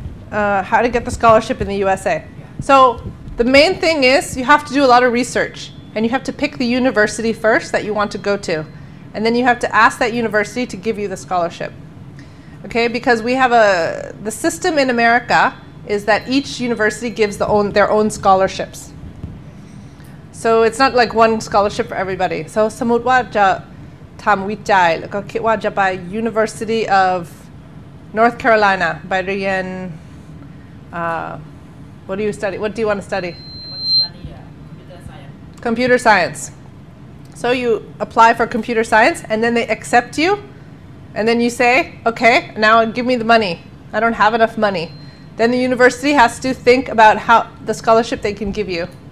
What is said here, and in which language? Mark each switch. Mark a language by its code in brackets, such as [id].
[en] How to get the scholarship in the USA. Yeah. So the main thing is you have to do a lot of research and you have to pick the university first that you want to go to. And then you have to ask that university to give you the scholarship. Okay, because we have the system in America is that each university gives their own scholarships. So it's not like one scholarship for everybody. [th] So สมมุติว่าจะทำวิจัยแล้วก็คิดว่าจะไป University of North Carolina ไปเรียน [en] What do you study? What do you want to study? I want to study computer science. Computer science. So you apply for computer science, and then they accept you, and then you say, okay, now give me the money. I don't have enough money. Then the university has to think about how the scholarship they can give you.